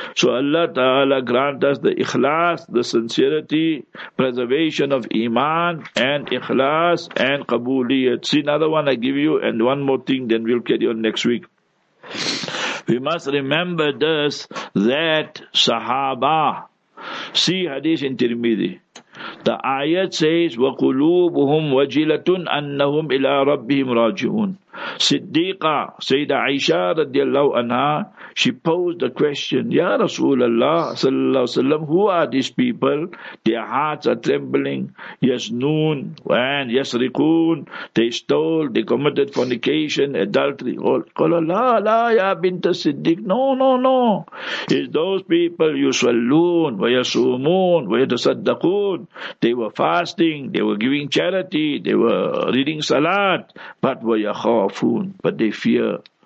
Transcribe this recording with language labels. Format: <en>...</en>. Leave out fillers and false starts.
<en>So Allah Ta'ala grant us the Ikhlas, the sincerity, preservation of Iman and Ikhlas and Qabuliyat. See, another one I give you and one more thing, then we'll carry on next week. We must remember this, that Sahaba, see hadith in Tirmidhi.</en> <ar>The ayat says, وَقُلُوبُهُمْ وَجِلَةٌ أَنَّهُمْ إِلَىٰ رَبِّهِمْ رَاجِعُونَ.</ar> <en>Siddiqa, Sayyida Aisha radiallahu anha, she posed the question, Ya Rasulullah sallallahu alayhi wa sallam, who are these people? Their hearts are trembling, yasnoon, and yasrikun, they stole, they committed fornication, adultery,</en> <ar>la, ya binta Siddiq,</ar> <en>no, it's those people,</en> <ar>yusallun, wa yasumun, wa yatasaddaqun,</ar> <en>they were fasting, they were giving charity, they were reading salat, but wa yakhafun, but they fear.</en>